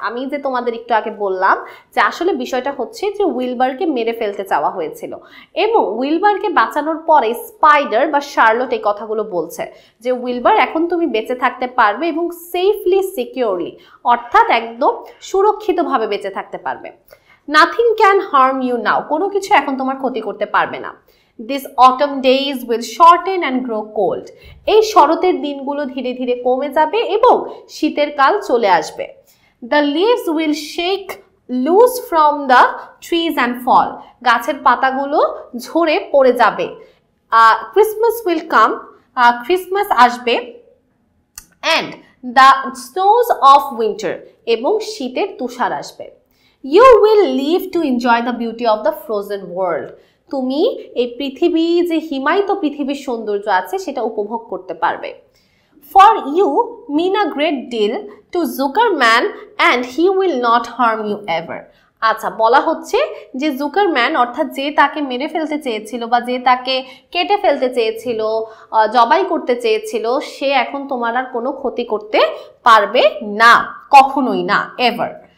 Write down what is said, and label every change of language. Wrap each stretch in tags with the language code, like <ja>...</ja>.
<bn>আমি যে তোমাদের একটু আগে বললাম যে আসলে বিষয়টা হচ্ছে যে উইলবারকে মেরে ফেলতে চাওয়া হয়েছিল, এবং উইলবারকে বাঁচানোর পরে স্পাইডার বা শার্লট এই কথাগুলো বলছে যে উইলবার এখন তুমি বেঁচে থাকতে পারবে, এবং সেফলি সিকিউরলি, অর্থাৎ একদম সুরক্ষিতভাবে বেঁচে থাকতে পারবে।</bn> <en>nothing can harm you now,</en> <bn>কোনো কিছু এখন তোমার ক্ষতি করতে পারবে না।</bn> <en>This autumn days will shorten and grow cold.</en> <bn>এই শরতের দিনগুলো ধীরে ধীরে কমে যাবে এবং শীতের কাল চলে আসবে।</bn> <en>The leaves will shake loose from the trees and fall.</en> <bn>গাছের পাতাগুলো ঝরে পড়ে যাবে।</bn> <en>Christmas will come.</en> <bn>Christmas আসবে।</bn> <en>And the snows of winter.</en> <bn>এবং শীতের তুষার আসবে।</bn> <en>You will live to enjoy the beauty of the frozen world.</en> <bn>তুমি এই পৃথিবী, যে হিমায়িত পৃথিবীর সৌন্দর্য আছে, সেটা উপভোগ করতে পারবে।</bn> <en>For you mean a great deal to Zuckerman and he will not harm you ever.</en> <bn>আচ্ছা বলা হচ্ছে যে জুকার ম্যান, অর্থাৎ যে তাকে মেরে ফেলতে চেয়েছিল বা যে তাকে কেটে ফেলতে চেয়েছিল, জবাই করতে চেয়েছিল, সে এখন তোমার আর কোনো ক্ষতি করতে পারবে না, কখনোই না, এভার।</bn>